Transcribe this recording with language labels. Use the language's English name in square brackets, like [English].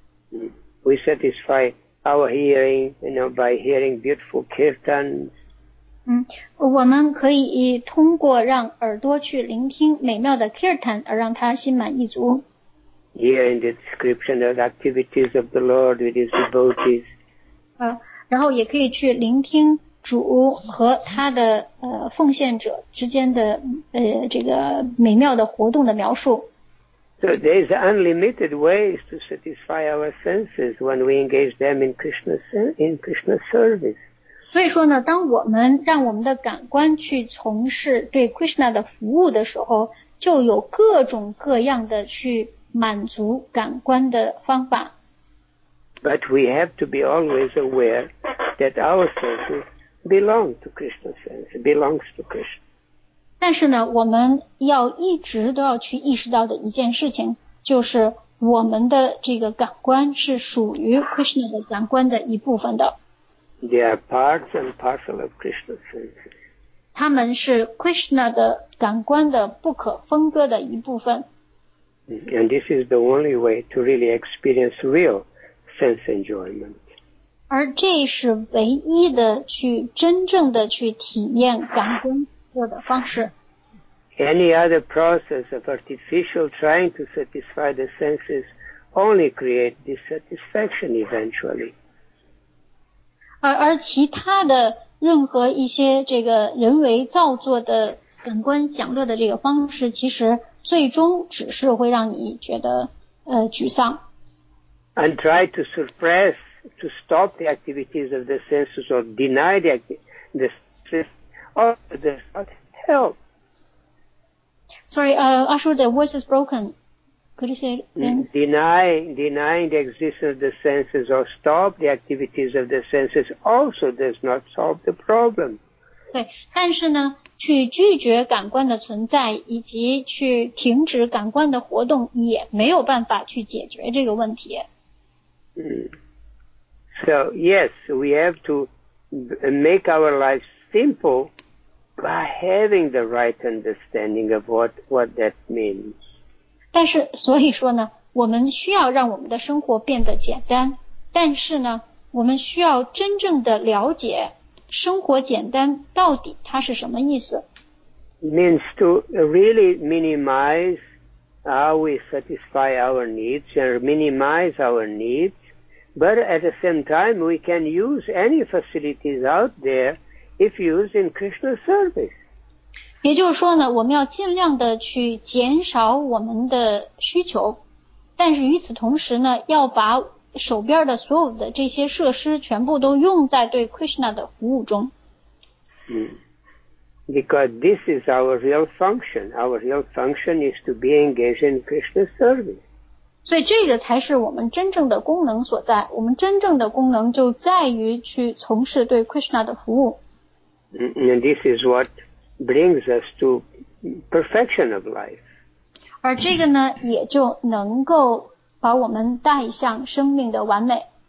[English] We satisfy our hearing, you know, by hearing beautiful kirtans. [Chinese] 我们可以通过让耳朵去聆听美妙的 kirtan 而让它心满意足。 [English] Here in the description of the activities of the Lord with his devotees. [Chinese] 然后也可以去聆听主和他的奉献者之间的这个美妙的活动的描述。 [English] So there is unlimited ways to satisfy our senses when we engage them in Krishna's service. [Chinese] 所以说呢，当我们让我们的感官去从事对 Krishna 的服务的时候，就有各种各样的去满足感官的方法。 [English] But we have to be always aware that our senses belong to Krishna's sense, belongs to Krishna. [Chinese] 但是呢，我们要一直都要去意识到的一件事情，就是我们的这个感官是属于 Krishna 的感官的一部分的。 [English] They are parts and parcel of Krishna's senses. [Chinese] 他们是 Krishna 的感官的不可分割的一部分。 [English] And this is the only way to really experience real sense enjoyment. [Chinese] 而这是唯一的去真正的去体验感官的方式。 [English] Any other process of artificial trying to satisfy the senses only create dissatisfaction eventually. [Chinese] 而其他的任何一些这个人为造作的感官享乐的这个方式，其实最终只是会让你觉得沮丧。 [English] And try to suppress, to stop the activities of the senses or deny the stress, or does not help. Sorry, Ashur, the voice is broken. Could you say again? Denying the existence of the senses or stop the activities of the senses also does not solve the problem. [Chinese] 对，但是呢，去拒绝感官的存在以及去停止感官的活动也没有办法去解决这个问题。 [English] So yes, we have to make our lives simple by having the right understanding of what that means. [Chinese] 但是所以说呢，我们需要让我们的生活变得简单，但是呢，我们需要真正的了解生活简单到底它是什么意思。 [English] Means to really minimize how we satisfy our needs and minimize our needs, but at the same time we can use any facilities out there if used in Krishna service. [Chinese] 也就是说呢，我们要尽量的去减少我们的需求，但是与此同时呢，要把手边的所有的这些设施全部都用在对 Krishna 的服务中。 [English] Because this is our real function. Our real function is to be engaged in Krishna's service. [Chinese] 所以这个才是我们真正的功能所在。我们真正的功能就在于去从事对 Krishna 的服务。 [English] And this is what brings us to perfection of life. [Chinese] 而这个呢也就能够把我们带向生命的完美。